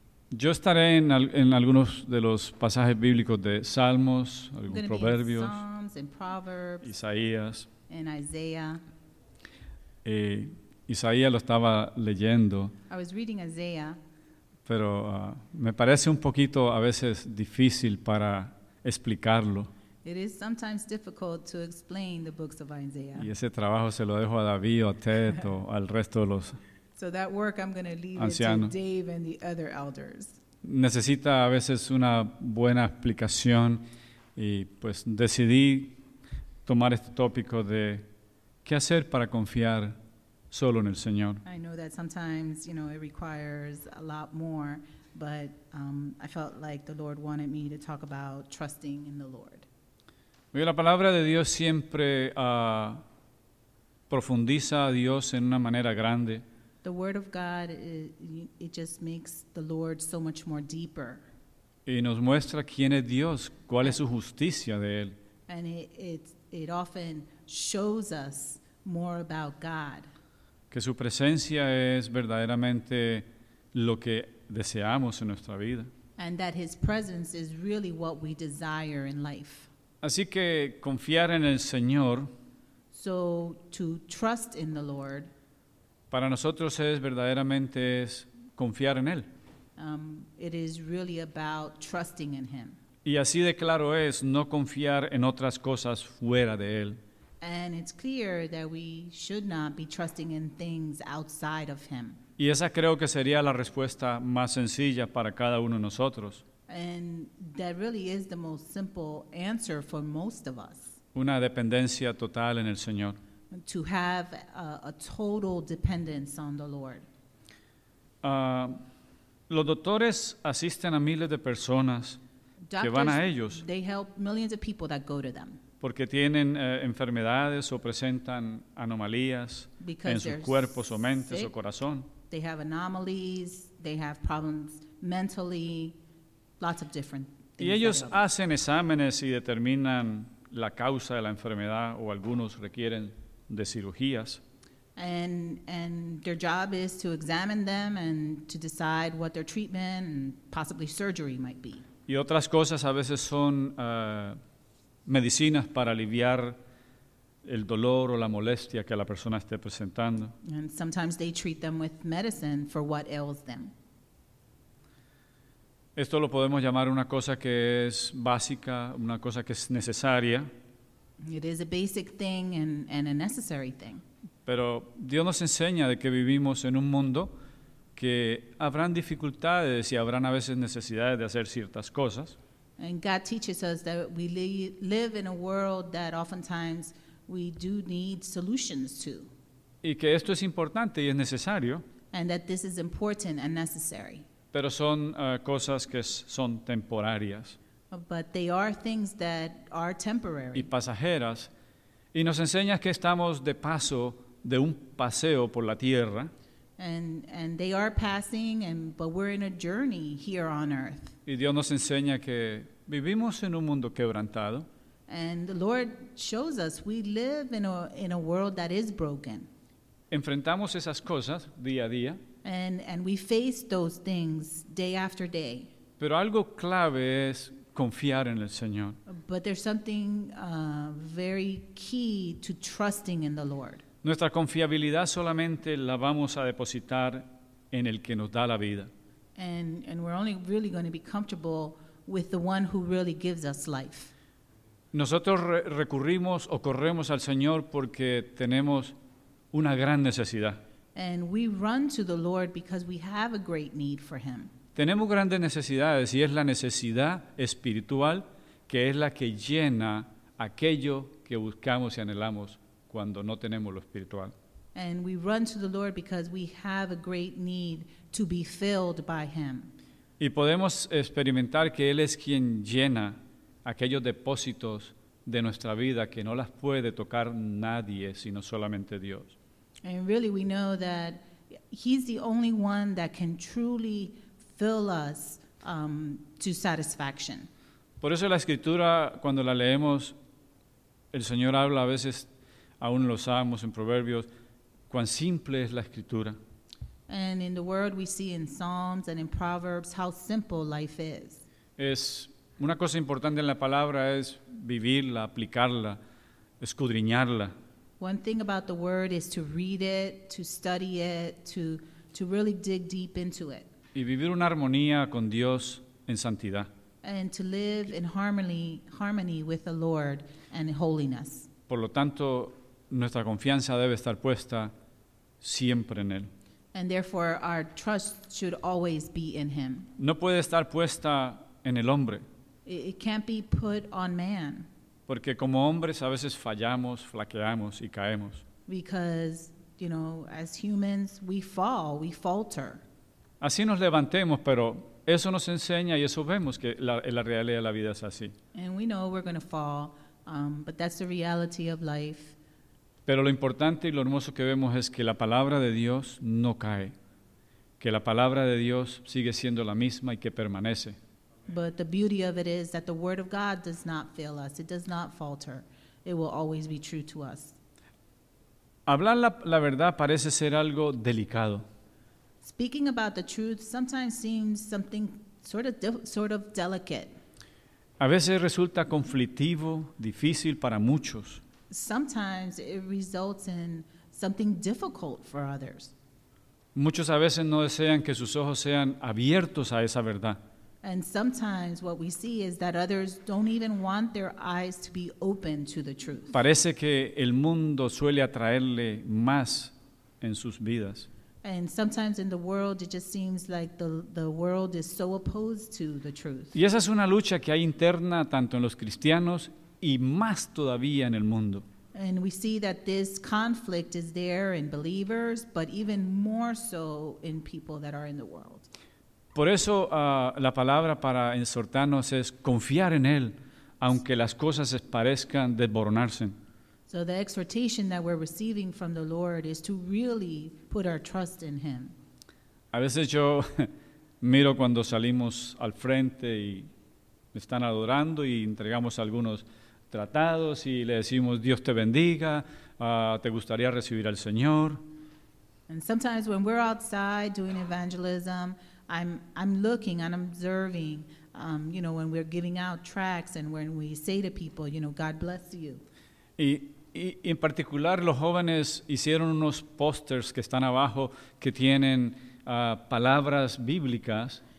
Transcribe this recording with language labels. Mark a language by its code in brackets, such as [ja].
[es] Yo estaré en algunos de los pasajes bíblicos de Salmos, algunos proverbios, [en] Psalms and Proverbs, [es] Isaías. [en] And Isaiah. [es] Isaías lo estaba leyendo. [en] I was reading Isaiah. [es] Pero me parece un poquito a veces difícil para explicarlo. [en] It is sometimes difficult to explain the books of Isaiah. [es] Y ese trabajo se lo dejo a David o a Ted o al resto de los [en] So that work I'm going to leave [es] ancianos. [en] It to Dave and the other elders. [es] Necesita a veces una buena explicación y pues decidí tomar este tópico de qué hacer para confiar solo en el Señor. [en] I know that sometimes, you know, it requires a lot more, but I felt like the Lord wanted me to talk about trusting in the Lord. [es] La palabra de Dios siempre profundiza a Dios en una manera grande. [en] The word of God, it just makes the Lord so much more deeper. [es] Y nos muestra quién es Dios, cuál es su justicia de Él. [en] And it often shows us more about God. [es] Que su presencia es verdaderamente lo que deseamos en nuestra vida. [en] And that His presence is really what we desire in life. [es] Así que confiar en el Señor, [en] so to trust in the Lord, [es] para nosotros es verdaderamente es confiar en Él. [en] It is really about trusting in him. [es] Y así de claro es no confiar en otras cosas fuera de él. [en] And it's clear that we should not be trusting in things outside of him. [es] Y esa creo que sería la respuesta más sencilla para cada uno de nosotros. [en] And that really is the most simple answer for most of us. [es] Una dependencia total en el Señor. [en] To have a total dependence on the Lord. [es] Los doctores asisten a miles de personas. [en] Doctors, [es] que van a ellos. [en] They help millions of people that go to them. [es] Porque tienen enfermedades o presentan anomalías [en] because [es] en sus cuerpos o mentes [en] sick, [es] o corazón. [en] They have anomalies, they have problems mentally, lots of different things. [es] Y ellos hacen exámenes y determinan la causa de la enfermedad o algunos requieren de cirugías. [en] And their job is to examine them and to decide what their treatment and possibly surgery might be. [es] Y otras cosas a veces son medicinas para aliviar el dolor o la molestia que la persona esté presentando. [en] And sometimes they treat them with medicine for what ails them. [es] Esto lo podemos llamar una cosa que es básica, una cosa que es necesaria. [en] It is a basic thing and a necessary thing. [es] Pero Dios nos enseña de que vivimos en un mundo que habrán dificultades y habrán a veces necesidades de hacer ciertas cosas. [en] And God teaches us that we live in a world that oftentimes we do need solutions to. [es] Y que esto es importante y es necesario. [en] And that this is important and necessary. [es] Pero son cosas que son temporarias. [en] But they are things that are temporary. [es] Y pasajeras. Y nos enseña que estamos de paso de un paseo por la tierra. [en] And they are passing, but we're in a journey here on earth. [es] Y Dios nos enseña que vivimos en un mundo quebrantado. [en] And the Lord shows us we live in a world that is broken. [es] Enfrentamos esas cosas día a día. [en] And we face those things day after day. [es] Pero algo clave es confiar en el Señor. [en] But there's something very key to trusting in the Lord. [es] Nuestra confiabilidad solamente la vamos a depositar en el que nos da la vida. [en] And we're only really going to be comfortable with the one who really gives us life. [es] Nosotros recurrimos o corremos al Señor porque tenemos una gran necesidad. [en] And we run to the Lord because we have a great need for him. [es] Tenemos grandes necesidades y es la necesidad espiritual que es la que llena aquello que buscamos y anhelamos cuando no tenemos lo espiritual. [en] And we run to the Lord because we have a great need to be filled by him. [es] Y podemos experimentar que él es quien llena aquellos depósitos de nuestra vida que no las puede tocar nadie sino solamente Dios. [en] And really we know that he's the only one that can truly fill us to satisfaction. [es] Por eso la escritura cuando la leemos el Señor habla a veces aún los salmos en proverbios cuán simple es la escritura. [en] And in the word we see in Psalms and in Proverbs how simple life is. [es] Es una cosa importante en la palabra es vivirla, aplicarla, escudriñarla. [en] One thing about the word is to read it, to study it, to really dig deep into it. [es] Y vivir una armonía con Dios en santidad. [en] And to live in harmony with the Lord and holiness. [es] Por lo tanto, nuestra confianza debe estar puesta siempre en él. [en] And therefore our trust should always be in him. [es] No puede estar puesta en el hombre. [en] It can't be put on man. [es] Porque como hombres a veces fallamos, flaqueamos y caemos. [en] Because, you know, as humans we fall, we falter. [es] Así nos levantemos, pero eso nos enseña y eso vemos que la realidad de la vida es así. [en] And we know we're going to fall, but that's the reality of life. [es] Pero lo importante y lo hermoso que vemos es que la palabra de Dios no cae, que la palabra de Dios sigue siendo la misma y que permanece. [en] But the beauty of it is that the word of God does not fail us. It does not falter. It will always be true to us. [es] Hablar la verdad parece ser algo delicado. [en] Speaking about the truth sometimes seems something sort of delicate. [es] A veces resulta conflictivo, difícil para muchos. [en] Sometimes it results in something difficult for others. [es] Muchos a veces no desean que sus ojos sean abiertos a esa verdad. [en] And sometimes what we see is that others don't even want their eyes to be open to the truth. [es] Parece que el mundo suele atraerle más en sus vidas. [en] And sometimes in the world it just seems like the world is so opposed to the truth. [es] Y esa es una lucha que hay interna tanto en los cristianos y más todavía en el mundo. [en] And we see that this conflict is there in believers, but even more so in people that are in the world. [es] Por eso la palabra para exhortarnos es confiar en Él, aunque las cosas parezcan desboronarse. [en] So the exhortation that we're receiving from the Lord is to really put our trust in Him. [es] A veces yo miro cuando salimos al frente y están adorando y entregamos algunos tratados y le decimos Dios te bendiga, te gustaría recibir al Señor. [en] And sometimes when we're outside doing evangelism, I'm looking and observing, you know, when we're giving out tracts and when we say to people, you know, God bless you. [es] Y en particular los jóvenes hicieron unos posters que están abajo que tienen palabras bíblicas.